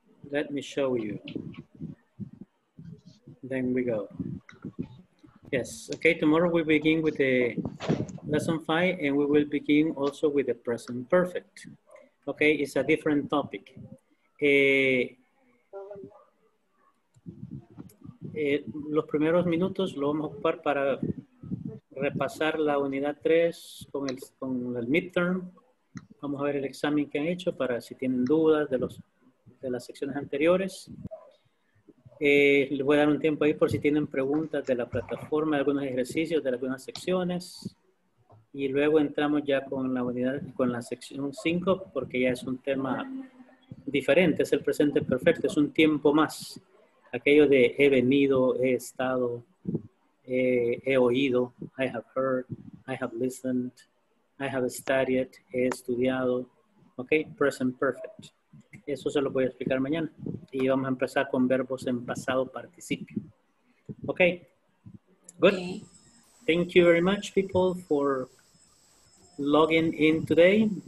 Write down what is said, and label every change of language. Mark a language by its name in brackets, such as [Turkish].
[English] Let me show you. Then we go. Yes, okay, tomorrow we begin with a Lesson 5, and we will begin also with the present perfect. Okay, it's a different topic. [Spanish] Los primeros minutos lo vamos a ocupar para repasar la unidad 3 con el midterm. Vamos a ver el examen que han hecho para si tienen dudas de las secciones anteriores. Les voy a dar un tiempo ahí por si tienen preguntas de la plataforma, de algunos ejercicios, de algunas secciones. Y luego entramos ya con la sección 5, porque ya es un tema diferente, es el presente perfecto, es un tiempo más. Aquello de he venido, he estado, he oído, [English] I have heard, I have listened, I have studied, [Spanish] he estudiado. Ok, present perfect. Eso se lo voy a explicar mañana. Y vamos a empezar con verbos en pasado participio. [English] Ok, good. Thank you very much, people, for logging in today.